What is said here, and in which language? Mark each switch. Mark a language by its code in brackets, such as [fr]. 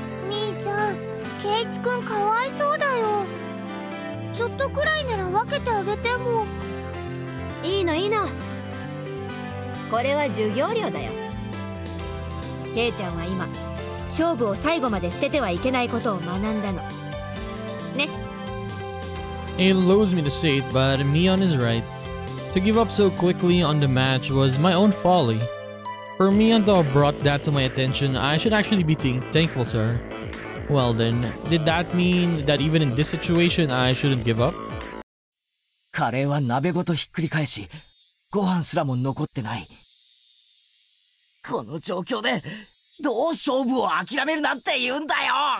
[ja] みーちゃん、ケイチくんかわいそうだよ。ちょっとくらいなら分けてあげても。いいのいいの。これは授業料だよ。ケイちゃんは今、勝負を最後まで捨ててはいけないことを学んだの。ね。 [en] It loathes me to say it, but Mion is right. To give up so quickly on the match was my own folly. For Mion to have brought that to my attention, I should actually be thankful to her. Well then, did that mean that even in this situation, I shouldn't give up? [ja] Curry は鍋ごとひっくり返し、ご飯すらも残ってない。この状況で、どう勝負を諦めるなんて言うんだよ。